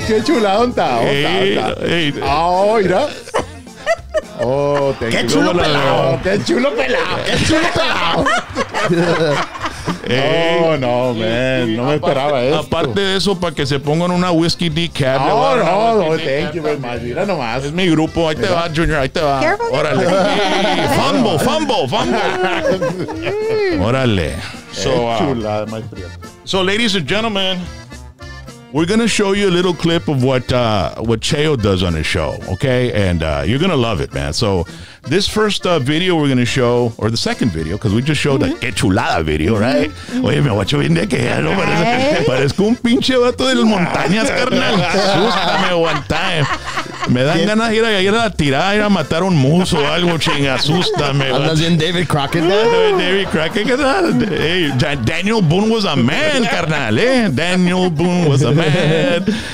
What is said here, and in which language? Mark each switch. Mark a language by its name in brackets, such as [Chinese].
[Spanish] Qué chulado está. Mira. [English] Oh, thank [Spanish] qué [English] you. [Spanish] Chulo no, pelado. No. Qué chulo pelado. Qué chulo pelado. [English] Hey. Oh, no, man. [Spanish] No me esperaba eso. Aparte de eso, para que se pongan una whiskey decaf. [English] Oh, no, no, no, no, thank you very much. [Spanish] Mira nomás. Es mi grupo. Ahí te va, Junior. Ahí te va. [English] Careful. [Spanish] Órale. Fumble. Órale. [English] So, so, ladies and gentlemen, we're going to show you a little clip of what Cheo does on his show, okay? And you're going to love it, man. So this first video we're going to show, or the second video, because we just showed a Que Chulada video, right? [Spanish] Oye, me guacho bien de que ya no parezco un pinche vato del montañas, carnal. Súbame [English] one time. [Spanish] Me dan ganas de ir a tirar, ir a matar un muso o algo, ching, asústame. ¿Andas bien David Crockett? [English] David Crockett, hey, Daniel Boone was a man, carnal, Daniel Boone was a man.